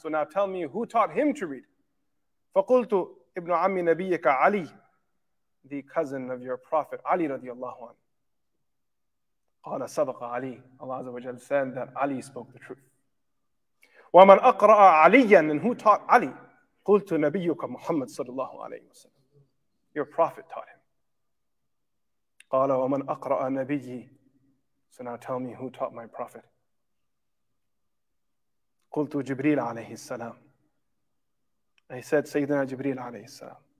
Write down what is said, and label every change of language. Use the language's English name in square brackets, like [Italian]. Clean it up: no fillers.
[English] So now tell me, who taught him to read? [Arabic] فَقُلْتُ إِبْنُ عَمِّ نَبِيِّكَ عَلِي, [English] the cousin of your prophet, Ali radiallahu anhu. [Arabic] قَالَ صَدَقَ عَلِي. [English] Allah Azza wa Jal said that Ali spoke the truth. [Arabic] وَمَنْ أَقْرَأَ عَلِيًّا, [English] and who taught Ali? [Arabic] قُلْتُ نَبِيُّكَ مُحَمَّد صلى الله عليه وسلم. [English] Your prophet taught him. [Arabic] قَالَ وَمَنْ أَقْرَأَ نَبِيِّي. [English] So now tell me, who taught my prophet? [Arabic] قُلْتُ جِبْرِيلَ عَلَيْهِ السَّلَامِ. [English] I said, Sayyidina Jibreel alayhi salam.